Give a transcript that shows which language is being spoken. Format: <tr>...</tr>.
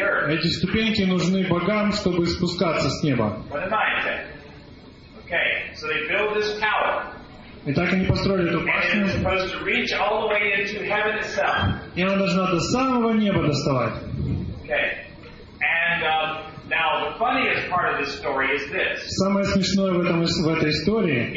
<ru>Эти ступеньки нужны богам, чтобы спускаться с неба.</ru> <en>Okay. So they build this tower.</en> <ru>Итак, они построили эту башню.</ru> <en>Supposed to reach all the way into heaven itself.</en> <ru>И она должна до самого неба доставать.</ru> <en>Okay. And, now, the funniest part of this story is this.</en> <ru>Самое смешное в этой истории</ru>